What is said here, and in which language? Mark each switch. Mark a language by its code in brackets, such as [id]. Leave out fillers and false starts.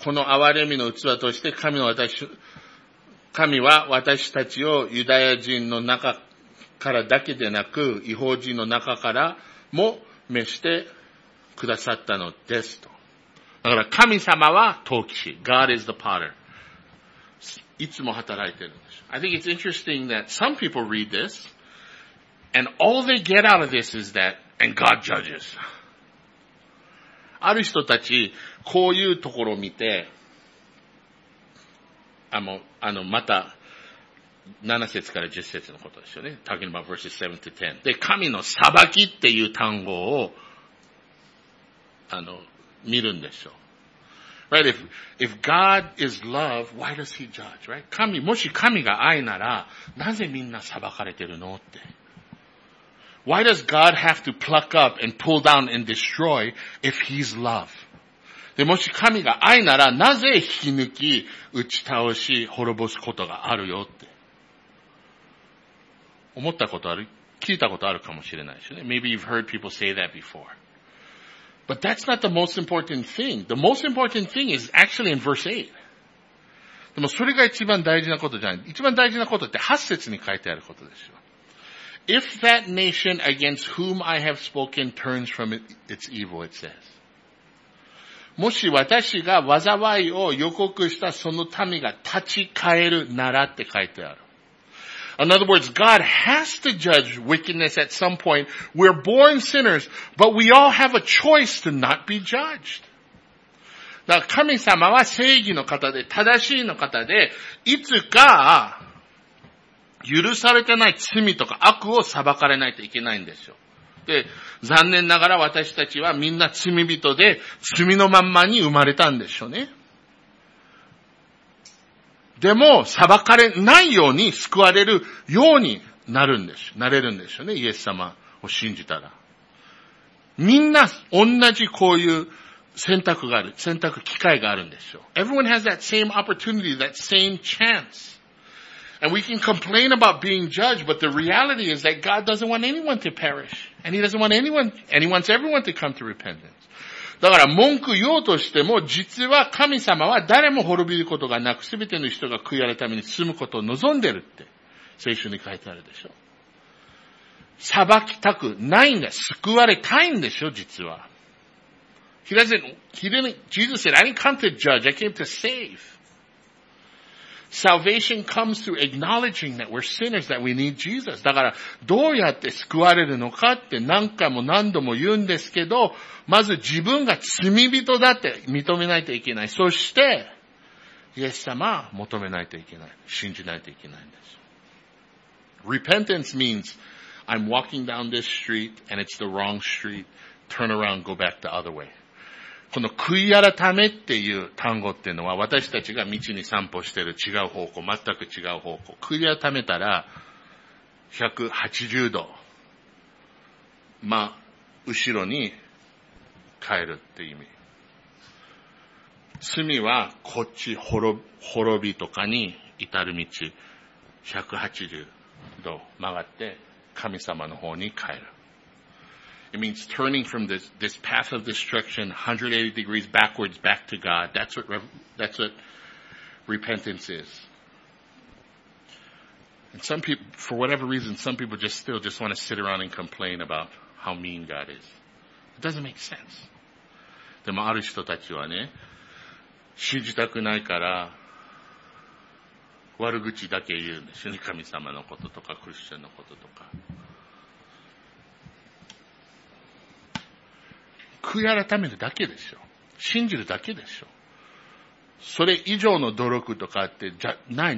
[ja] この憐れみの器として神は私たちをユダヤ人の中からだけでなく異邦人の中からも召してくださったのですと。だから神様は陶器師、 [en] God is the potter、 [ja] いつも働いてるんでしょ。 [en] I think it's interesting that some people read thisAnd all they get out of this is that, and God judges. [ja] ある人たち、こういうところを見て、また、 7節から10節のことですよね。 [en] Talking about verses 7 to 10. [ja] で、神の裁きっていう単語を、見るんでしょう。 [en] Right? If God is love, why does he judge? Right? [ja] 神、もし神が愛なら、なぜみんな裁かれてるのって。 [en] Why does God have to pluck up and pull down and destroy if he's love? [ja] で、もし神が愛なら、なぜ引き抜き、打ち倒し、滅ぼすことがあるよって。思ったことある、聞いたことあるかもしれないですね。 [en] Maybe you've heard people say that before. But that's not the most important thing. The most important thing is actually in verse 8. [ja] でもそれが一番大事なことじゃない。一番大事なことって8節に書いてあることですよ。 [en] If that nation against whom I have spoken turns from its evil, it says. [ja] もし私が災いを予告したその民が立ち返るならって書いてある。 [en] In other words, God has to judge wickedness at some point. We're born sinners, but we all have a choice to not be judged. [ja] だから神様は正義の方で、正しいの方で、いつか許されてない罪とか悪を裁かれないといけないんですよ。で、残念ながら私たちはみんな罪人で、罪のまんまに生まれたんでしょうね。でも、裁かれないように救われるようになるんでしょ。なれるんでしょうね。イエス様を信じたら。みんな、同じこういう選択がある。選択機会があるんでしょう。 [en] Everyone has that same opportunity, that same chance. And we can complain about being judged, but the reality is that God doesn't want anyone to perish. And he doesn't want anyone, and he wants everyone to come to repentance. [ja] だから文句言おうとしても、実は神様は誰も滅びることがなく、すべての人が悔い改めるために進むことを望んでるって、聖書に書いてあるでしょ。裁きたくないんだ。救われたいんでしょ、実は。 [en] He doesn't, he didn't, Jesus said, I didn't come to judge, I came to save. Salvation comes through acknowledging that we're sinners, that we need Jesus. [ja] だから、どうやって救われるのかって何回も何度も言うんですけど、まず自分が罪人だって認めないといけない。そして、イエス様を求めないといけない。信じないといけないんです。 [en] Repentance means, I'm walking down this street and it's the wrong street. Turn around, go back the other way. [ja] この悔い改めっていう単語っていうのは、私たちが道に散歩してる違う方向、全く違う方向。悔い改めたら、180度。まあ、後ろに、変えるって意味。罪はこっち滅びとかに至る道180度曲がって神様の方に変える。 [en] It means turning from this path of destruction 180 degrees backwards back to God. That's what repentance is. And some people, for whatever reason, some people just want to sit around and complain about how mean God is. It doesn't make sense. [ja] でもある人たちはね、信じたくないから、悪口だけ言うんですよね。神様のこととか、クリスチャンのこととか。悔い改めるだけでしょ。信じるだけでしょ。それ以上の努力とかって、ない。